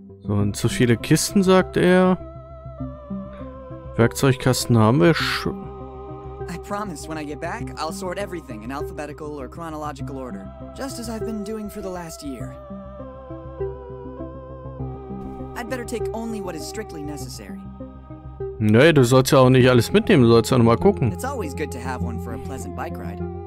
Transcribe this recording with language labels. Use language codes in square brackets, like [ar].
[de] So, und zu viele Kisten, sagt er. Werkzeugkasten haben wir schon. [en] I promise, when I get back, I'll sort everything in alphabetical or chronological order, just as I've been doing for the last year. I'd better take only what is strictly necessary. [de] Nee, du sollst ja auch nicht alles mitnehmen, du sollst ja nochmal gucken. [en] It's always good to have one for a pleasant bike ride.